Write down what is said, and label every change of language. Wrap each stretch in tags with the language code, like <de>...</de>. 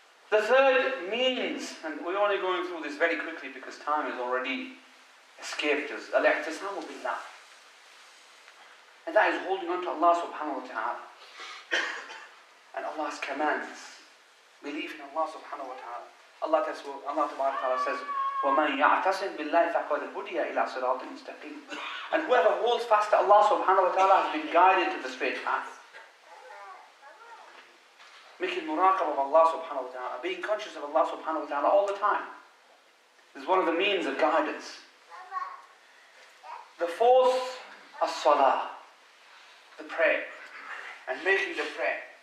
<en>The third means, and we're only going through this very quickly because time has already escaped us. Al-i'tisamu billah. And that is holding on to Allah subhanahu wa ta'ala. And Allah's commands. Believe in Allah subhanahu wa ta'ala. Allah tabarak wa ta'ala says,</en> <ar>وَمَنْ يَعْتَسِمْ بِاللَّهِ فَقَدْ هُدِيَ إِلَىٰ صِرَاطٍ مُسْتَقِيمٍ.</ar> <en>And whoever holds fast to Allah subhanahu wa ta'ala has been guided to the straight path. Making muraqab of Allah subhanahu wa ta'ala, being conscious of Allah subhanahu wa ta'ala all the time. This is one of the means of guidance. The fourth, as-salah, the prayer, and making the prayer.</en>